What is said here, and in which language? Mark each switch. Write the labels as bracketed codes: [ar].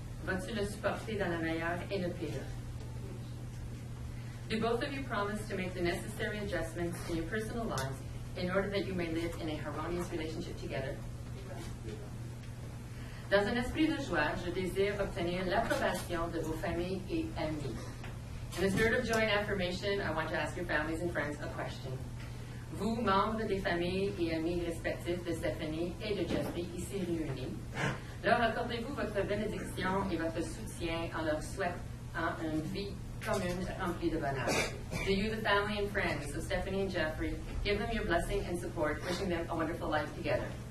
[fr] Vas-tu le supporter dans le meilleur et le pire? [en] Do both of you promise to make the necessary adjustments in your personal lives in order that you may live in a harmonious relationship together? [fr] Dans un esprit de joie, je désire obtenir l'approbation de vos familles et amis. [en] In a spirit of joy and affirmation, I want to ask your families and friends a question. [fr] Vous, membres des familles et amis respectifs de Stéphanie et de Geoffré, ici réunis, leur accordez-vous votre bénédiction et votre soutien en leur souhaitant une vie commune remplie de bonheur. [en] To you, the family and friends of Stéphanie and Geoffré, give them your blessing and support, wishing them a wonderful life together.